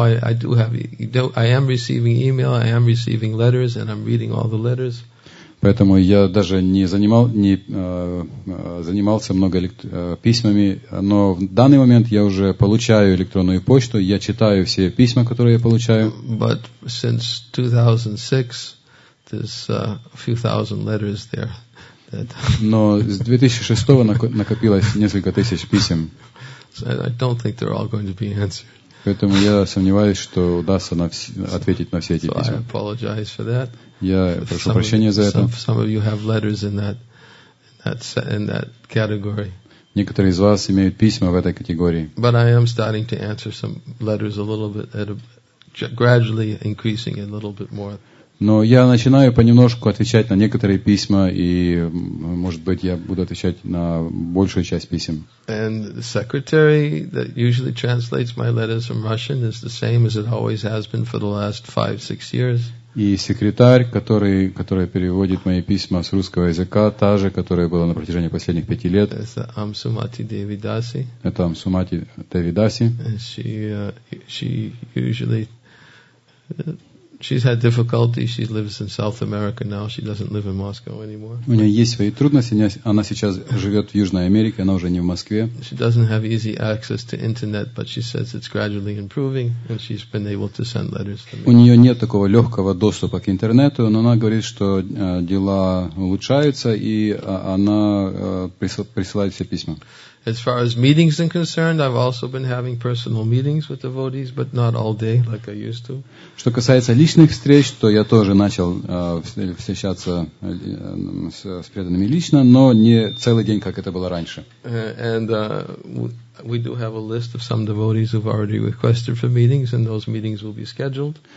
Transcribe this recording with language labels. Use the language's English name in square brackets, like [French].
[English] I am receiving email, I am receiving letters, and I'm reading all the letters. [Russian] Поэтому я даже не занимался много письмами, но в данный момент я уже получаю электронную почту, я читаю все письма, которые я получаю. [English] But since 2006, there's a few thousand letters there. [Russian] Но с 2006 накопилось несколько тысяч писем. [English] So I don't think they're all going to be answered. [Russian] Поэтому я сомневаюсь, что удастся ответить на все эти письма. [English] So I apologize for that. [Russian] Я прошу прощения за это. [English] Some of you have letters in that category. [Russian] Некоторые из вас имеют письма в этой категории. [English] But I am starting to answer some letters a little bit, gradually increasing a little bit more. [Russian] Но я начинаю понемножку отвечать на некоторые письма, и, может быть, я буду отвечать на большую часть писем. [English] And the secretary that usually translates my letters from Russian is the same as it always has been for the last 5-6 years. [Russian] И секретарь, который переводит мои письма с русского языка, та же, которая была на протяжении последних 5 лет. Это Амсумати Девидаси. Это Амсумати Девидаси. [English] She's had difficulty. She lives in South America now. She doesn't live in Moscow anymore. [Russian] У неё есть свои трудности. Она сейчас живёт в Южной Америке. Она уже не в Москве. [English] She doesn't have easy access to internet, but she says it's gradually improving, and she's been able to send letters to me. [Russian] У неё нет такого лёгкого доступа к интернету, но она говорит, что дела улучшаются, и она присылает все письма. [English] As far as meetings are concerned, I've also been having personal meetings with devotees, but not all day like I used to. [Russian] Что касается личных встреч, то я тоже начал встречаться с преданными лично, но не целый день, как это было раньше. [English] And we do have a list of some devotees who've already requested for meetings, and those meetings will be scheduled.